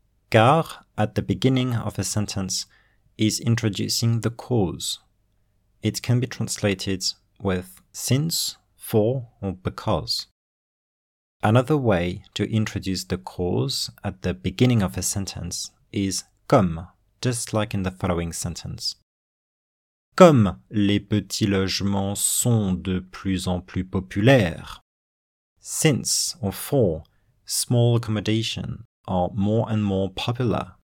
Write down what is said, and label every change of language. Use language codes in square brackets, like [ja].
[en] Car, at the beginning of a sentence, is introducing the cause. It can be translated with since, for, or because. Another way to introduce the cause at the beginning of a sentence is comme, just like in the following sentence. [fr] Comme les petits logements sont de plus en plus populaires. [en] Since, or for, small accommodation are more and more popular.